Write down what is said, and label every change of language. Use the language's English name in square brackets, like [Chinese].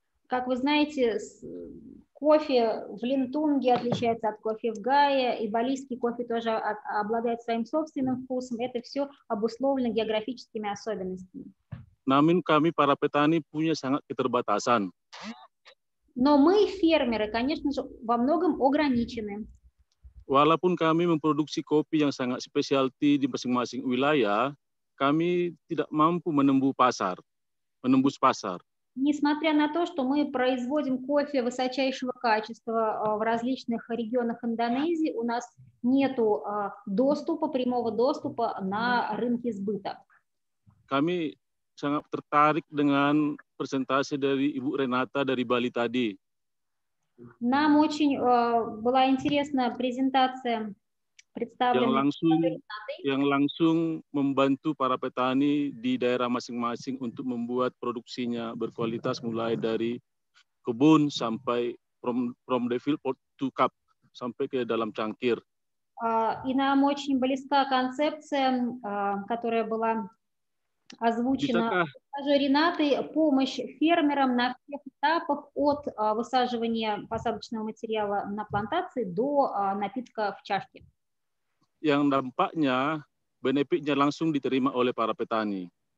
[Russian] Как вы знаете, кофе в Линтунге отличается от кофе в Гае, и балийский кофе тоже обладает своим собственным вкусом. Это все обусловлено географическими особенностями. [Indonesian] Namun kami para petani punya sangat keterbatasan. [Russian] Но мы фермеры, конечно же, во многом ограничены. [Indonesian] Walaupun kami memproduksi kopi yang sangat specialty di masing-masing wilayah, kami tidak mampu menembus pasar. [Russian] Несмотря на то, что мы производим кофе высочайшего качества в различных регионах Индонезии, у нас нету доступа, прямого доступа на рынки сбыта. [Indonesian] Kami sangat tertarik dengan presentasi dari Ibu Renata dari Bali tadi. [Russian] Нам очень была интересна презентация, представленная [Indonesian] yang langsung membantu para petani di daerah masing-masing untuk membuat produksinya berkualitas mulai dari kebun sampai [English] from the field to cup [Indonesian] sampai ke dalam cangkir. [Russian] И нам очень близка концепция, которая была озвучена даже Ренатой, помощь фермерам на всех этапах от высаживания посадочного материала на плантации до напитка в чашке. [Indonesian] Yang dampaknya, benefitnya langsung diterima oleh para petani.